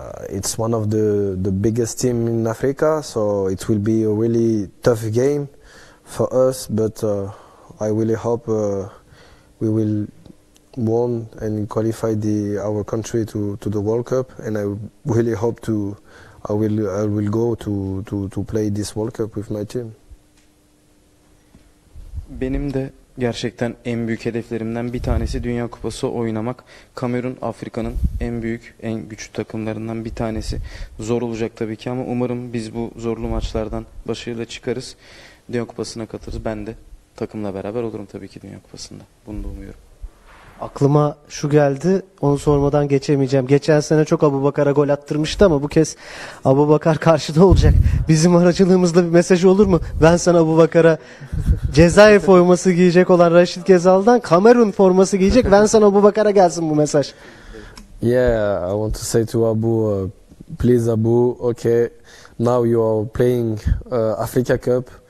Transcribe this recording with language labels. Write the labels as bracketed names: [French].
[English] It's one of the biggest team in Africa, so it will be a really tough game for us, but I really hope we will win and qualify our country to the World Cup, and I really hope I will go to play this World Cup with my team. [Turkish] Benim de gerçekten en büyük hedeflerimden bir tanesi Dünya Kupası oynamak. Kamerun Afrika'nın en büyük, en güçlü takımlarından bir tanesi. Zor olacak tabii ki ama umarım biz bu zorlu maçlardan başarıyla çıkarız. Dünya Kupası'na katılırız. Ben de takımla beraber olurum tabii ki Dünya Kupası'nda. Bunu da umuyorum. Aklıma şu geldi, onu sormadan geçemeyeceğim. Geçen sene çok Abubakar'a gol attırmıştı ama bu kez Abubakar karşıda olacak. Bizim aracılığımızla bir mesaj olur mu? Ben sana Abubakar'a Cezayir forması giyecek olan Raşit Gezal'dan Kamerun forması giyecek. Ben sana Abubakar'a gelsin bu mesaj. [English] Yeah, I want to say to Abu, please Abu, okay, now you are playing Africa Cup.